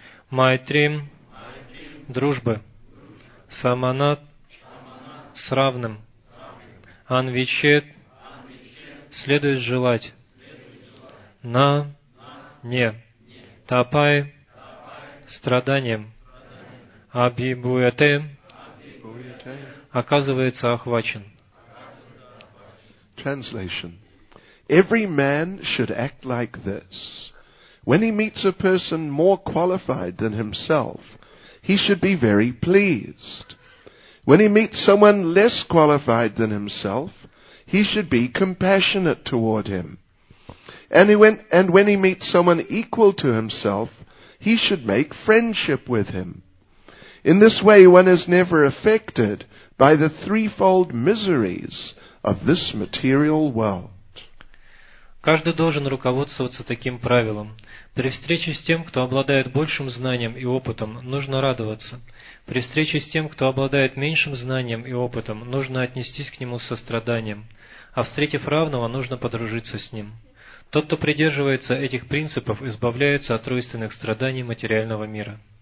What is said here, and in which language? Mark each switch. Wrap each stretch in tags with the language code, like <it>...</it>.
<ru>Майтрим, дружбы, саманат, с равным, анвичет, следует желать, на, не, тапай, страданием, абибуэте, оказывается охвачен.</ru> <en>Translation. Every man should act like this. When he meets a person more qualified than himself, he should be very pleased. When he meets someone less qualified than himself, he should be compassionate toward him. And when he meets someone equal to himself, he should make friendship with him. In this way, one is never affected by the threefold miseries of this material world.</en> <ru>Каждый должен руководствоваться таким правилом. При встрече с тем, кто обладает большим знанием и опытом, нужно радоваться. При встрече с тем, кто обладает меньшим знанием и опытом, нужно отнестись к нему с состраданием. А встретив равного, нужно подружиться с ним. Тот, кто придерживается этих принципов, избавляется от тройственных страданий материального мира.</ru>